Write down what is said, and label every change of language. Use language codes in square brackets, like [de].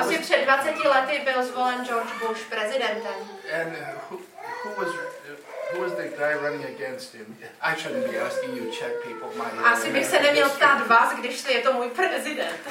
[cs] Asi před 20 lety byl zvolen George Bush prezidentem. [en] And who was the guy running against him? I shouldn't be asking you Czech people my name. [cs] Asi bych se neměl ptát vás, když je to můj prezident.